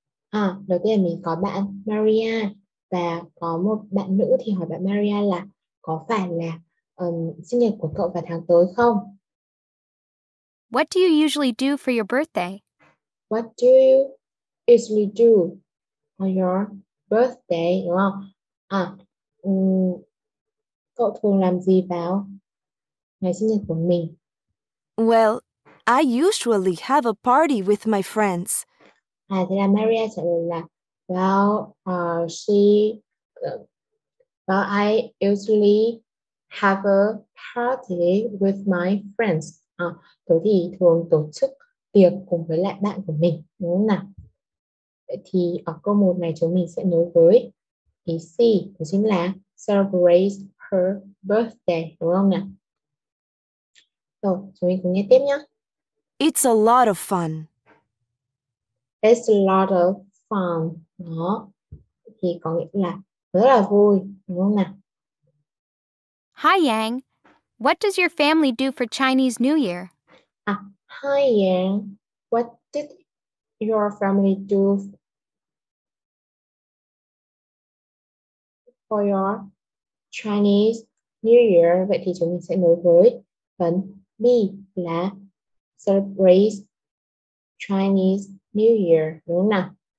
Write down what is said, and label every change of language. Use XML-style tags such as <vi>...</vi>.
<vi>À, đầu tiên mình có bạn Maria và có một bạn nữ thì hỏi bạn Maria là có phải là sinh nhật của cậu vào tháng tới không?</vi> <en>What do you usually do for your birthday? What do you usually do on your birthday,</en> <vi>đúng không? À, cậu thường làm gì vào ngày sinh nhật của mình?</vi> <en>Well, I usually have a party with my friends.</en> <vi>À, thế là Maria trả lời là</vi> <en>well, I usually have a party with my friends.</en> <vi>À, tôi thì thường tổ chức tiệc cùng với lại bạn của mình, đúng không nào? Thì ở câu 1 này chúng mình sẽ nối với ý C, đó chính là</vi> <en>celebrate her birthday,</en> <vi>đúng không nào? Rồi, chúng mình cùng nghe tiếp nhé.</vi> <en>It's a lot of fun. It's a lot of fun.</en> <vi>Đó, thì có nghĩa là rất là vui, đúng không nào?</vi> <en>Hi Yang, what does your family do for Chinese New Year? À, hi Yang, what did your family do for your Chinese New Year?</en> <vi>Vậy thì chúng mình sẽ nối với phần B là</vi> <en>celebrate Chinese New Year,</en> <vi>đúng không nào?</vi>